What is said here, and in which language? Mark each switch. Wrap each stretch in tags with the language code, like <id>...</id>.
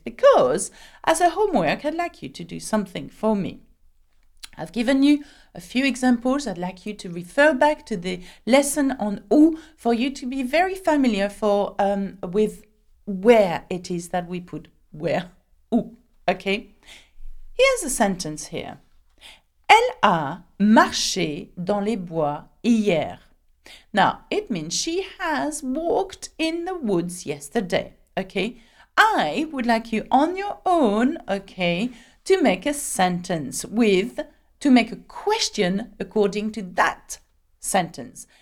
<en>Because as a homework, I'd like you to do something for me. I've given you a few examples. I'd like you to refer back to the lesson on où for you to be very familiar for with where it is that we put where, où. Okay? Here's a sentence here.</en> <fr>Elle a marché dans les bois hier.</fr> <en>Now, it means she has walked in the woods yesterday. Okay? I would like you on your own, okay, to make a sentence with, to make a question according to that sentence.</en>